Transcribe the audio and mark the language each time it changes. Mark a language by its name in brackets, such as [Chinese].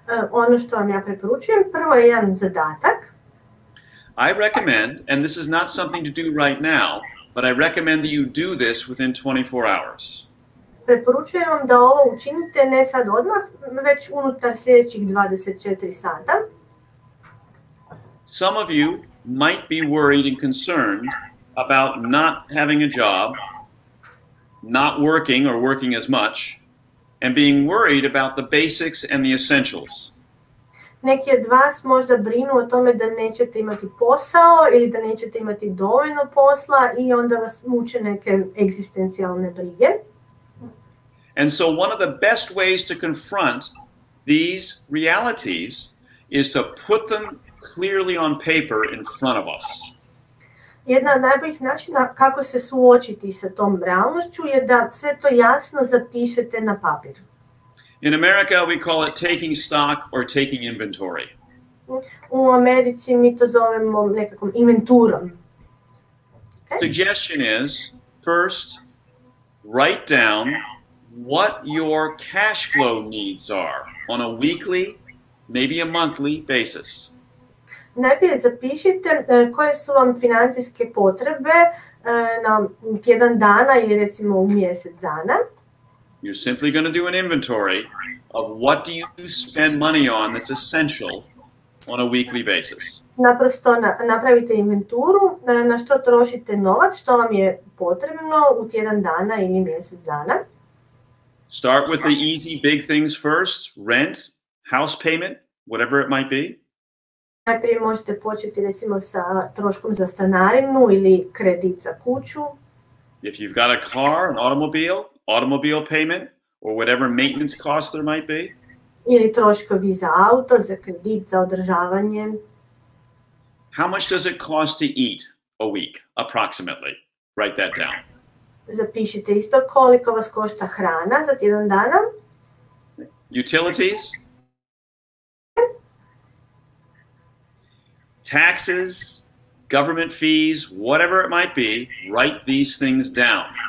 [Croatian] Ono što vam ja preporučujem, prvo je jedan zadatak. [English] I recommend, and this is not something to do right now, but I recommend that you do this within 24 hours. [Croatian] Preporučujem vam da ovo učinite ne sad odmah, već unutar sljedećih 24 sata. [English] Some of you might be worried and concerned about not having a job, not working or working as much, and being worried about the basics and the essentials. [Croatian] Neki od vas možda brinu o tome da nećete imati posao ili da nećete imati dovoljno posla I onda vas muče neke egzistencijalne brige. [English] And so one of the best ways to confront these realities is to put them clearly on paper in front of us. [Croatian] Jedna od najboljih načina kako se suočiti sa tom realnošću je da sve to jasno zapišete na papir. [English] In America, we call it taking stock or taking inventory. [Croatian] U Americi mi to zovemo nekakvom inventurom. [English] Okay. Suggestion is, first, write down what your cash flow needs are on a weekly, maybe a monthly basis. [Croatian] Najprije zapišite koje su vam financijske potrebe na tjedan dana ili recimo u mjesec dana. [English] You're simply going to do an inventory of what do you spend money on that's essential on a weekly basis. [Croatian] Naprosto napravite inventuru na što trošite novac, što vam je potrebno u tjedan dana ili mjesec dana. [English] Start with the easy big things first, rent, house payment, whatever it might be. [Croatian] Najprije možete početi recimo sa troškom za stanarinu ili kredit za kuću. [English] If you've got a car, an automobile, automobile payment or whatever maintenance cost there might be. [Croatian] Ili troškovi za auto, za kredit, za održavanje. [English] How much does it cost to eat a week, approximately? Write that down. [Croatian] Zapišite isto koliko vas košta hrana za tjedan dana. [English] Utilities. Taxes, government fees, whatever it might be, write these things down.